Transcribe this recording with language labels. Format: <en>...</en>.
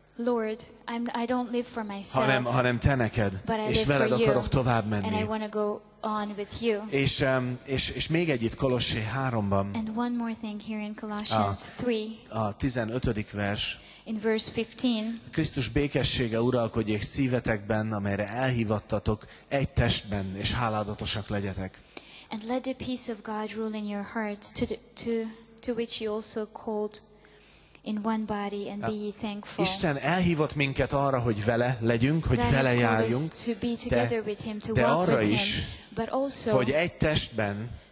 <en>Lord, I don't live for myself,</en> <hu>hanem te neked, és veled akarok tovább menni.</hu> <en>And I want to go on with you.</en> <hu>És még egy itt Kolossé 3-ban.</hu> <en>And one more thing here in Colossians 3.</en> <hu>A 15. vers.</hu> <en>In verse 15.</en> <hu>Krisztus békessége uralkodjék szívetekben, amelyre elhívattatok egy testben, és háladatosak legyetek.</hu> <en>And let the peace of God rule in your hearts, to which you also called in one body and be thankful.</en> <hu>Isten elhívott minket arra, hogy vele legyünk, hogy</hu> <en>God</en> <hu>vele járjunk, de arra is, hogy egy testben</hu>